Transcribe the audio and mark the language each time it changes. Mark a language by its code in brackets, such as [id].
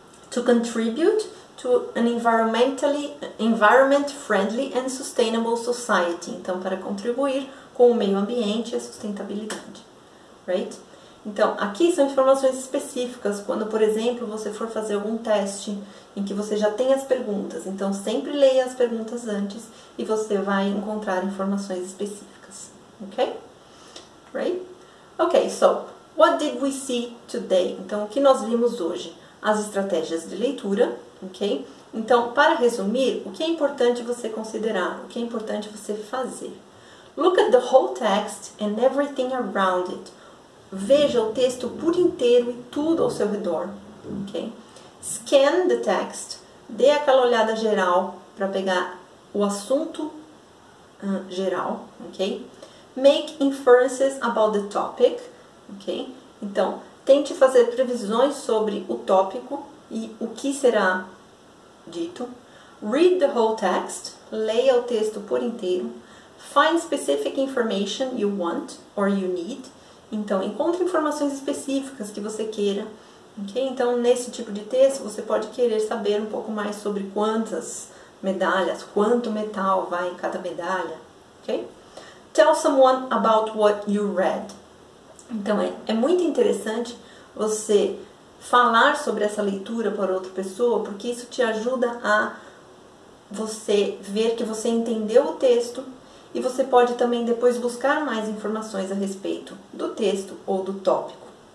[en] To contribute to an environment friendly and sustainable society. [pt] Então, para contribuir com o meio ambiente e a sustentabilidade, [en] right? [pt] Então, aqui são informações específicas quando, por exemplo, você for fazer algum teste em que você já tem as perguntas. Então, sempre leia as perguntas antes e você vai encontrar informações específicas. [en] Okay? Right? Okay, so what did we see today? [pt] Então, o que nós vimos hoje? As estratégias de leitura, ok? Então, para resumir, o que é importante você considerar? O que é importante você fazer? [en] Look at the whole text and everything around it. [pt] Veja o texto por inteiro e tudo ao seu redor, ok? [en] Scan the text. [pt] Dê aquela olhada geral para pegar o assunto, geral, ok? [en] Make inferences about the topic, ok? [pt] Então, tente fazer previsões sobre o tópico e o que será dito. [en] Read the whole text, [pt] leia o texto por inteiro. [en] Find specific information you want or you need. [pt] Então, encontre informações específicas que você queira, ok? Então, nesse tipo de texto, você pode querer saber um pouco mais sobre quantas medalhas, quanto metal vai em cada medalha, ok? [en] Tell someone about what you read. [pt] Então, é muito interessante você falar sobre essa leitura para outra pessoa, porque isso te ajuda a você ver que você entendeu o texto e você pode também depois buscar mais informações a respeito do texto ou do tópico.